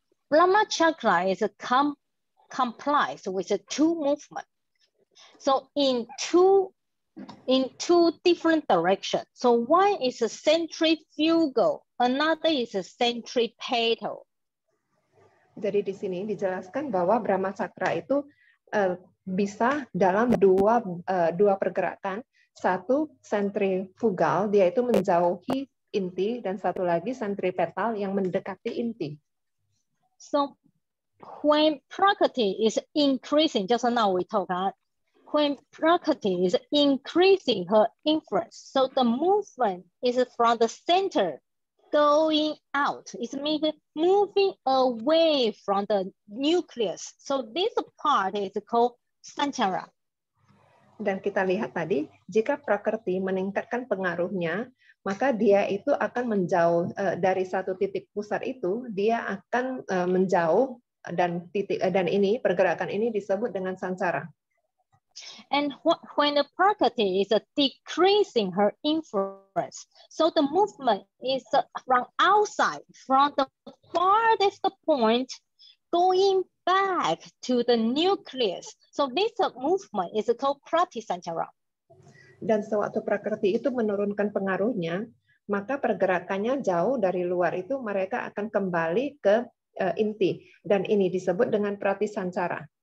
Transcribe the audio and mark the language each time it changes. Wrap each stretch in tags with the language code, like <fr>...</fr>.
<en>Brahma Chakra is complies with two movements. So in two different directions. So one is a centrifugal, another is a centripetal.</en> <id>Jadi di sini dijelaskan bahwa Brahma Chakra itu bisa dalam dua pergerakan, satu centrifugal, dia itu menjauhi inti, dan satu lagi centripetal yang mendekati inti.</id> <en>So when prakriti is increasing, just now we talk about, when prakriti is increasing her influence, so the movement is from the center going out. It's moving away from the nucleus. So this part is called sanchara.</en> <id>Dan kita lihat tadi, jika prakriti meningkatkan pengaruhnya, maka dia itu akan menjauh dari satu titik pusat itu, dia akan menjauh dan ini pergerakan ini disebut dengan sansara.</id> <en>And when the prakriti is decreasing her influence, so the movement is from outside, from the farthest point, going back to the nucleus. So this movement is called prati sansara.</en> <id>Dan sewaktu prakriti itu menurunkan pengaruhnya, maka pergerakannya jauh dari luar itu, mereka akan kembali ke inti. Dan ini disebut dengan prati sansara.</id>